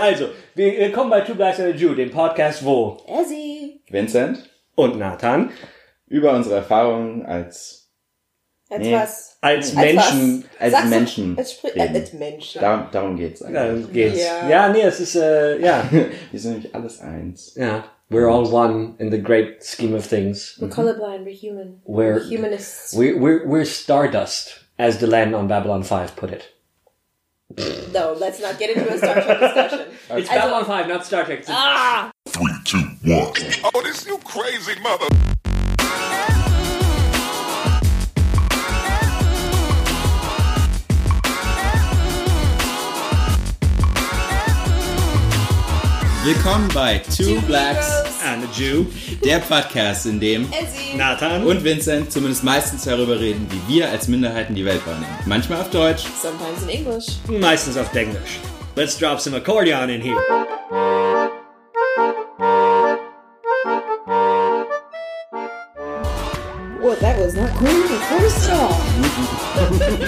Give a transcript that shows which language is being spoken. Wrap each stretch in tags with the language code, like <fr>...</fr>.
<de>Also, willkommen bei Two Guys and a Jew, dem Podcast, wo Ezzy, Vincent und Nathan über unsere Erfahrungen als Als Menschen. Darum geht's eigentlich. Ja, es ist. Wir sind nämlich alles eins. Ja.</de> <en>We're all one in the great scheme of things. We're colorblind, we're human. We're humanists. We're stardust, as the land on Babylon 5 put it. No, let's not get into a Star Trek discussion. It's Babylon 5, not Star Trek. Three, two, one. Oh, this new crazy mother.</en> <de>Willkommen bei Two Blacks</de> <en>and a Jew,</en> <de>der Podcast, in dem Nathan und Vincent zumindest meistens darüber reden, wie wir als Minderheiten die Welt wahrnehmen. Manchmal auf Deutsch,</de> <en>sometimes in English,</en> <de>meistens auf Englisch.</de> <en>Let's drop some accordion in here. What, that was not cool at first at all.</en>